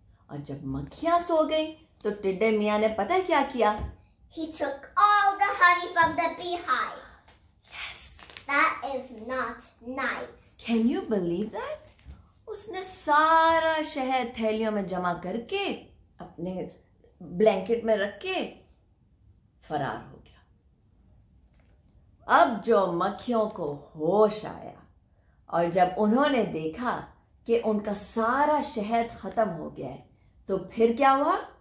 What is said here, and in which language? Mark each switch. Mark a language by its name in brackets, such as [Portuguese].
[Hindi] और जब मक्खियाँ सो गई तो टिड्डे मियाँ ने पता क्या किया? [English] He took all the honey from the beehive. That is not nice. Can you believe that? [Hindi] उसने सारा शहद थैलियों में जमा करके अपने ब्लैंकेट में रख के फरार हो गया. अब जो मक्खियों को होश आया और जब उन्होंने देखा कि उनका सारा शहद खत्म हो गया है, तो फिर क्या हुआ?